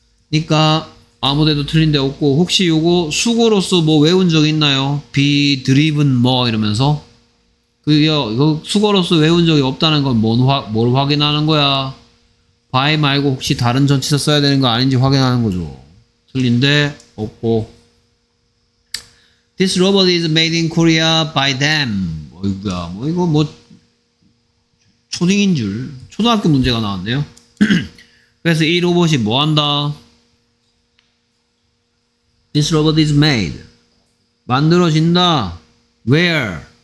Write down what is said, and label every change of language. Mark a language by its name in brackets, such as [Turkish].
[Korean] 그러니까 아무데도 틀린 데 없고 혹시 요거 수고로서 뭐 외운 적 있나요? [English] be driven [Korean] 뭐 이러면서 그 수거로서 외운 적이 없다는 건 뭘 확인하는 거야? by 말고 혹시 다른 전치사 써야 되는 거 아닌지 확인하는 거죠. 틀린데 없고. [English] This robot is made in Korea by them. [Korean] 어이구야, 뭐 이거 뭐 초딩인 줄 초등학교 문제가 나왔네요. 그래서 이 로봇이 뭐 한다? [English] This robot is made. [Korean] 만들어진다. [English] Where?